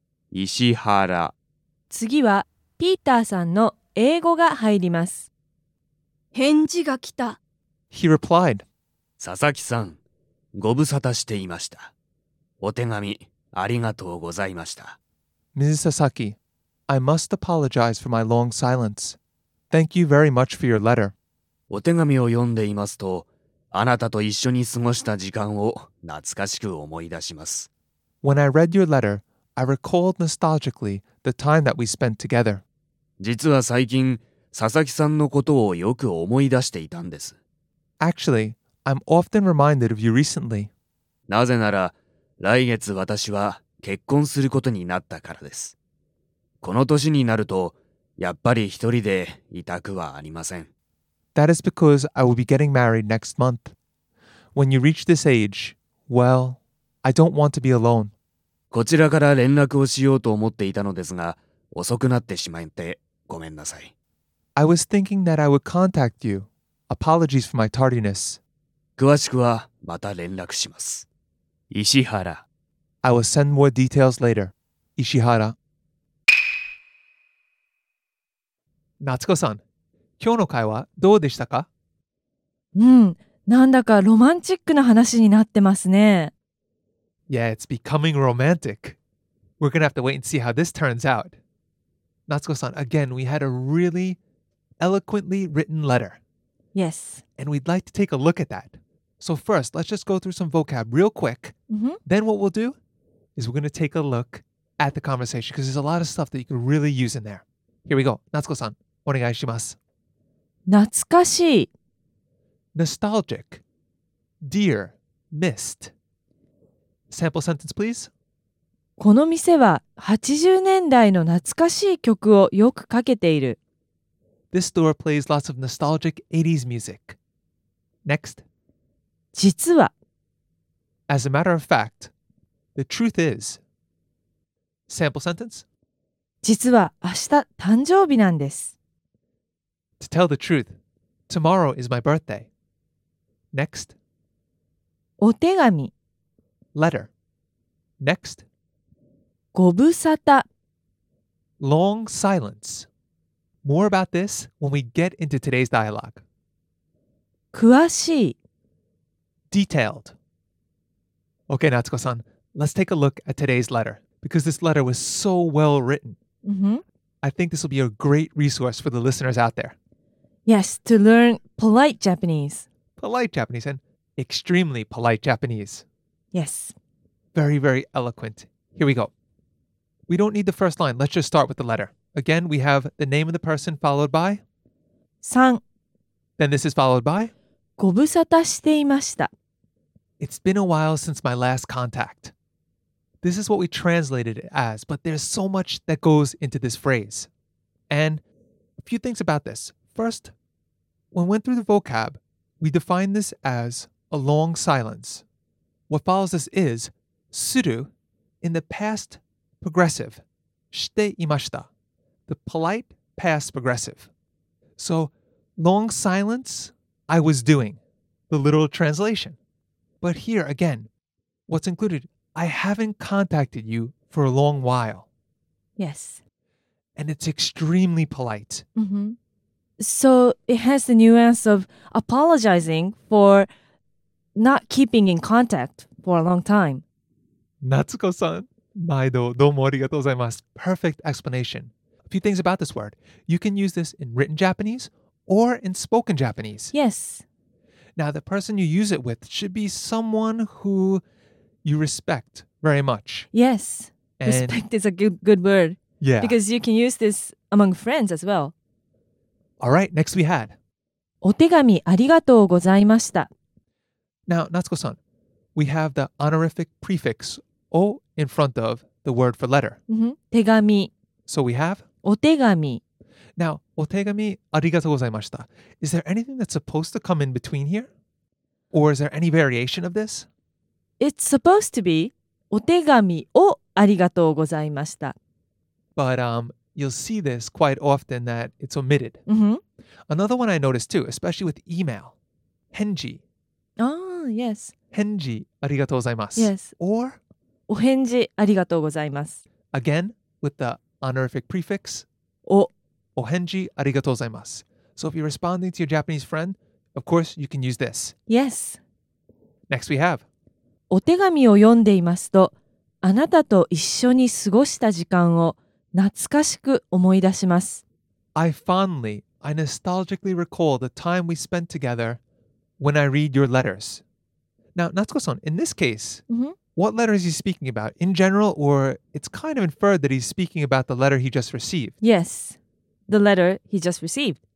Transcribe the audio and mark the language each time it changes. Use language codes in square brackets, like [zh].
[ja] 石原。次はピーターさんの英語が入ります。返事が来た。 [en] He replied. [ja] 佐々木さん、ご無沙汰していました。お手紙ありがとうございました。 [en] Ms. Sasaki, I must apologize for my long silence. Thank you very much for your letter. [ja] お手紙を読んでいますと、あなたと一緒に過ごした時間を懐かしく思い出します。 [en] When I read your letter,I recalled nostalgically the time that we spent together. [ja] 実は最近、佐々木さんのことをよく思い出していたんです。 [en] Actually, I'm often reminded of you recently. [ja] なぜなら、来月私は結婚することになったからです。この年になると、やっぱり一人でいたくはありません。 [en] That is because I will be getting married next month. When you reach this age, well, I don't want to be alone. [ja] こちらから連絡をしようと思っていたのですが、遅くなってしまってごめんなさい。 [en] I was thinking that I would contact you. Apologies for my tardiness. [ja] 詳しくはまた連絡します。石原。 [en] I will send more details later. [ja] 石原。夏子さん、今日の会話どうでしたか？なんだかロマンチックな話になってますね。 [en] Yeah, it's becoming romantic. We're going to have to wait and see how this turns out. Natsuko-san, again, we had a really eloquently written letter. Yes. And we'd like to take a look at that. So first, let's just go through some vocab real quick. Mm-hmm. Then what we'll do is we're going to take a look at the conversation because there's a lot of stuff that you can really use in there. Here we go. [ja] Natsuko-san, お願いします。懐かしい。 [en] Nostalgic. Dear. Missed. Sample sentence, please. [ja] この店は80年代の懐かしい曲をよくかけている。 [en] This store plays lots of nostalgic 80s music. Next. [ja] 実は。 [en] As a matter of fact, the truth is. Sample sentence. [ja] 実は明日誕生日なんです。 [en] To tell the truth, tomorrow is my birthday. Next. [ja] お手紙。 [en] Letter. Next. [ja] ご無沙汰。 [en] Long silence. More about this when we get into today's dialogue. [ja] 詳しい [en] Detailed. Okay, Natsuko-san, let's take a look at today's letter. Because this letter was so well written. Mm-hmm. I think this will be a great resource for the listeners out there. Yes, to learn polite Japanese. Polite Japanese and extremely polite Japanese. Yes. Very, very eloquent. Here we go. We don't need the first line. Let's just start with the letter. Again, we have the name of the person followed by? San. Then this is followed by? [ja] ご無沙汰していました。 [en] It's been a while since my last contact. This is what we translated it as, but there's so much that goes into this phrase. And a few things about this. First, when we went through the vocab, we defined this as a long silence. What follows this is, する, in the past progressive, [ja] していました。 [en] The polite past progressive. So, long silence, I was doing. The literal translation. But here, again, what's included, I haven't contacted you for a long while. Yes. And it's extremely polite. Mm-hmm. So, it has the nuance of apologizing for not keeping in contact for a long time. [ja] Natsuko-san, 毎度どうもありがとうございます。 [en] Perfect explanation. Few things about this word. You can use this in written Japanese or in spoken Japanese. Yes. Now, the person you use it with should be someone who you respect very much. Yes. And respect is a good word. Yeah. Because you can use this among friends as well. All right. Next we had. [ja] お手紙ありがとうございました。 [en] Now, Natsuko-san, we have the honorific prefix o in front of the word for letter. [ja] Mm-hmm. 手紙。 [en] So we have? [ja] お手紙。 [en] Now, [ja] お手紙ありがとうございました。 [en] Is there anything that's supposed to come in between here? Or is there any variation of this? It's supposed to be [ja] お手紙をありがとうございました。 [en] But you'll see this quite often that it's omitted. Mm-hmm. Another one I noticed too, especially with email. [ja] 返事。 [en] Ah, yes. [ja] 返事ありがとうございます。 [en] Yes. Or? [ja] お返事ありがとうございます。 [en] Again, with theHonorific prefix, [ja] お。お返事ありがとうございます。 [en] So if you're responding to your Japanese friend, of course you can use this. Yes. Next we have. [ja] お手紙を読んでいますと、あなたと一緒に過ごした時間を懐かしく思い出します。 [en] I nostalgically recall the time we spent together when I read your letters. Now, Natsuko-san, in this case,、 mm-hmm. What letter is he speaking about? In general, or it's kind of inferred that he's speaking about the letter he just received. Yes, the letter he just received.